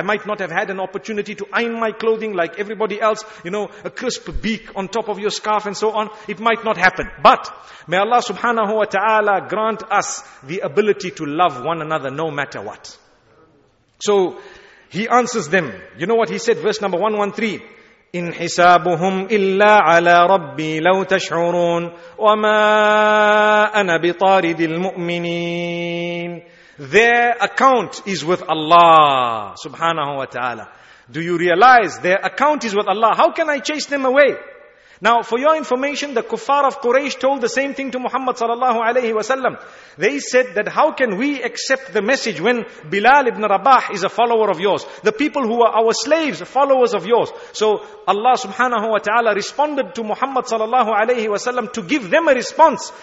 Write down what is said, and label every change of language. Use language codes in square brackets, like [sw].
[en] I might not have had an opportunity to iron my clothing like everybody else, you know, a crisp beak on top of your scarf and so on. It might not happen. But may Allah subhanahu wa ta'ala grant us the ability to love one another no matter what. So he answers them. You know what he said, verse number 113. [ar] إِنْ حِسَابُهُمْ إِلَّا عَلَىٰ رَبِّي لَوْ تَشْعُرُونَ وَمَا أَنَا بِطَارِدِ الْمُؤْمِنِينَ [en] Their account is with Allah subhanahu wa ta'ala. Do you realize their account is with Allah? How can I chase them away? Now, for your information, the kuffar of Quraysh told the same thing to Muhammad sallallahu alayhi wa sallam. They said that how can we accept the message when Bilal ibn Rabah is a follower of yours? The people who are our slaves, followers of yours. So Allah subhanahu wa ta'ala responded to Muhammad sallallahu alayhi wa sallam to give them a response.